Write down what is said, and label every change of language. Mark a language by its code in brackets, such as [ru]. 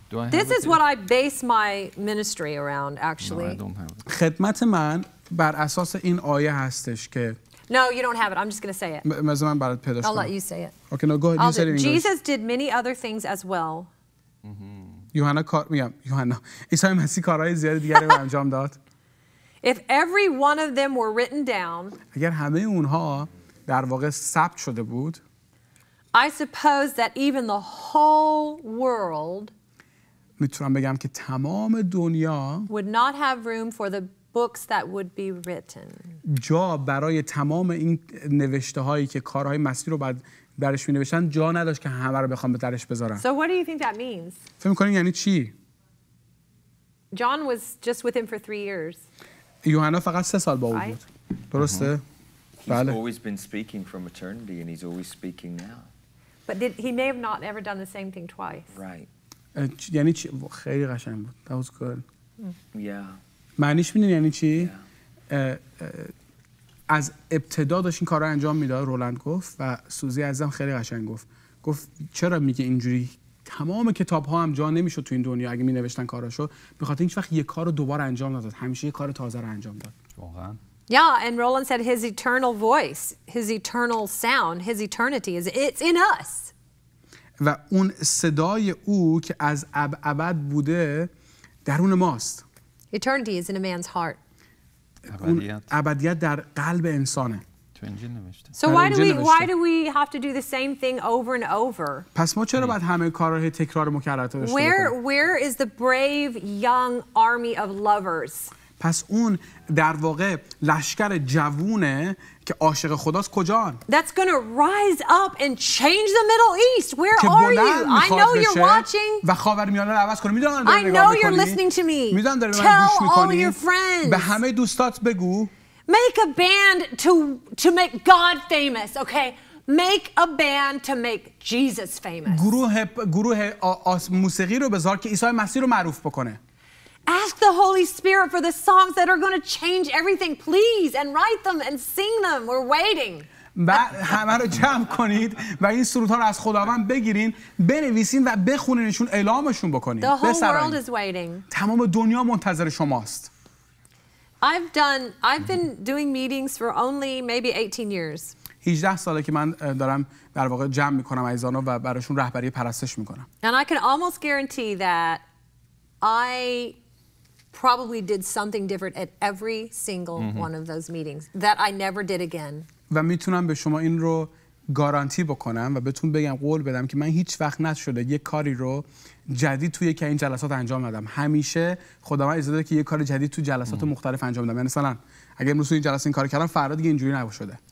[en] This is what I base my ministry around, actually. No, I don't have it. [fa] خدمت من بر اساس این آیه هستش که [en] No, you don't have it. I'm just going to say it. [fa] مثلا من برات پیداش کنم. [en] I'll let you say it. Okay, no, go ahead. You say it in English. Jesus did many other things as well. [fa] یوحنا کار میگم. یوحنا. عیسی مسیح کارهای زیاد دیگری رو انجام داد. [en] If every one of them were written down, [fa] اگر همه اونها در واقع ثبت شده بود, [en] I suppose that even the whole world [fa] میتونم بگم که تمام دنیا [en] would not have room for the books that would be written. [fa] جا برای تمام این نوشته هایی که کارهای مسیح رو بعد درش می نوشتن جا نداشت که همه رو بخوام به درش بذارم. [en] So what do you think that means? [fa] فهم کنین یعنی چی؟ [en] John was just with him for 3 years. [fa] یوحنا فقط 3 سال با او بود. درسته؟ بله. [en] He's always been speaking from eternity and he's always speaking now. But did he may have not ever done the same thing twice. Right. [fa] یعنی چی؟ خیلی قشنگ بود. [en] That was good. Yeah. [fa] معنیش می‌دونی یعنی چی؟ از ابتدا داشت این کارو انجام میداد، رولند گفت و سوزی عزیزم خیلی قشنگ گفت. گفت چرا میگه اینجوری؟ تمام کتاب ها هم جا نمیشد تو این دنیا اگه می نوشتن کاراشو، بخاطر اینکه وقت یه کار رو دوباره انجام نداد، همیشه یه کار تازه رو انجام داد. واقعا. [en] Yeah, and Roland said his eternal voice, his eternal sound, his eternity is it's in us. [fa] و اون صدای او که از ابد بوده درون ماست. [en] Eternity is in a man's heart. [fa] ابدیت در قلب انسانه. [en] So why do we have to do the same thing over and over? [fa] پس ما چرا باید همه کارهای تکرار مکرر داشته باشیم؟ [en] Where is the brave young army of lovers? [fa] پس اون در واقع لشکر جوونه که عاشق خداست کجان؟ [en] That's going to rise up and change the Middle East. Where are you? I know you're watching. [fa] و خاورمیانه رو عوض کنه. میدونم دارین نگاه میکنین. [en] I know you're listening to me. [fa] میدونم دارین من گوش میکنین. به همه دوستات بگو. [en] Make a band to make God famous, okay? Make a band to make Jesus famous. [fa] گروه موسیقی رو بذار که عیسی مسیح رو معروف بکنه. [en] Ask the Holy Spirit for the songs that are going to change everything, please, and write them and sing them. We're waiting. [fa] همه رو جمع کنید و این سرودها رو از خداوند بگیرین، بنویسین و بخونینشون، اعلامشون بکنین. [en] The whole world is waiting. [fa] تمام دنیا منتظر شماست. [en] I've been doing meetings for only maybe 18 years. [fa] 18 ساله که من دارم در واقع جمع میکنم عزیزان و براشون رهبری پرستش میکنم. [en] And I can almost guarantee that I probably did something different at every single one of those meetings that I never did again. [fa] و میتونم به شما این رو گارانتی بکنم و بهتون بگم، قول بدم که من هیچ وقت نشده یک کاری رو جدید توی یکی این جلسات انجام ندم. همیشه خداوند اجازه داده که یک کار جدید تو جلسات مختلف انجام بدم. یعنی مثلا اگه امروز این جلسه این کارو کردم، فردا دیگه اینجوری نباشه.